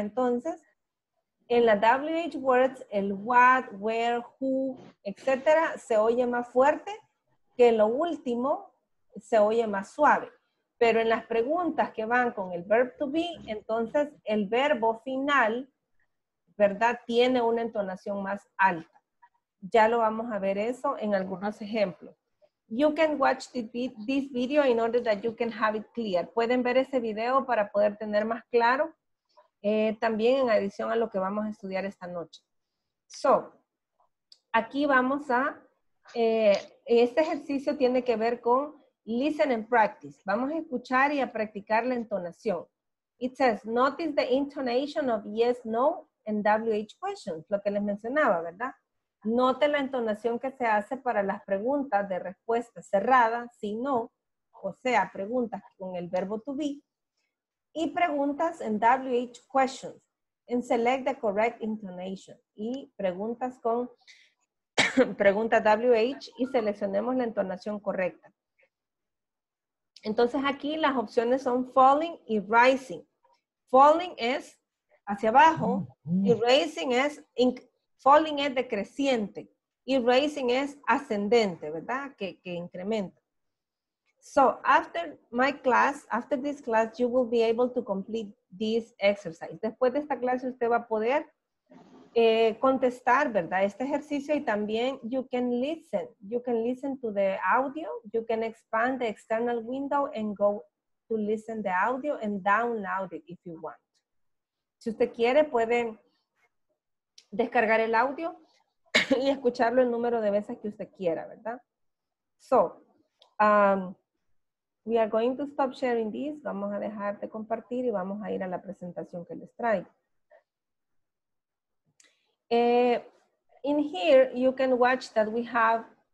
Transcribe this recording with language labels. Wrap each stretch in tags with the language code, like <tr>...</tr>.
<es>Entonces, en la WH words, el what, where, who, etcétera, se oye más fuerte que lo último, se oye más suave. Pero en las preguntas que van con el verb to be, entonces el verbo final, ¿verdad? Tiene una entonación más alta. Ya lo vamos a ver eso en algunos ejemplos.</es> <en>You can watch this video in order that you can have it clear.</en> <es>Pueden ver ese video para poder tener más claro. También en adición a lo que vamos a estudiar esta noche. So, aquí vamos a este ejercicio tiene que ver con</es> <en>listen and practice.</en> <es>Vamos a escuchar y a practicar la entonación.</es> <en>It says, notice the intonation of yes, no, and WH questions,</en> <es>lo que les mencionaba, ¿verdad? Note la entonación que se hace para las preguntas de respuesta cerrada, sí, no, o sea, preguntas con el verbo to be, y preguntas en WH questions,</es> <en>and select the correct intonation,</en> <es>y preguntas con pregunta WH y seleccionemos la entonación correcta. Entonces aquí las opciones son falling y rising. Falling es hacia abajo y rising es, falling es decreciente y rising es ascendente, ¿verdad? Que incrementa.</es> <en>So, after my class, after this class, you will be able to complete this exercise.</en> <es>Después de esta clase usted va a poder contestar, ¿verdad? Este ejercicio y también</es> <en>you can listen. You can listen to the audio. You can expand the external window and go to listen the audio and download it if you want.</en> <es>Si usted quiere, puede descargar el audio y escucharlo el número de veces que usted quiera, ¿verdad?</es> <en>So, we are going to stop sharing this.</en> <es>Vamos a dejar de compartir y vamos a ir a la presentación que les traigo.</es> <en>In here, you can watch that we have...</en>